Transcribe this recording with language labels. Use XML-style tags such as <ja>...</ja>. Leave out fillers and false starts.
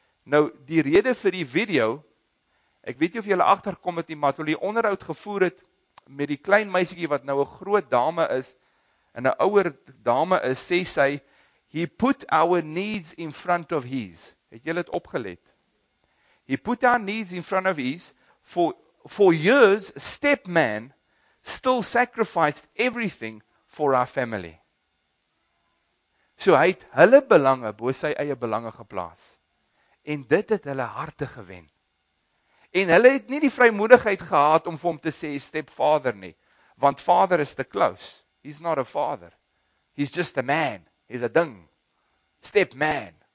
<af>Nou, die rede vir die video, ek weet nie of julle agterkom het nie, maar toe die onderhoud gevoer het, met die klein meisiekie wat nou 'n groot dame is, en 'n ouer dame is, sê sy,</af> <en>he put our needs in front of his.</en> <af>Het jy dit opgelet?</af> <en>He put our needs in front of his. For years, stepman still sacrificed everything for our family.</en> <af>So hy het hulle belange bo sy eie belange geplaas. En dit het hulle harte gewen. En hulle het nie die vrymoedigheid gehad om vir hom te sê stepvader nie. Want vader is te close.</af> <en>He's not a father. He's just a man. He's a ding. Stepman.</en>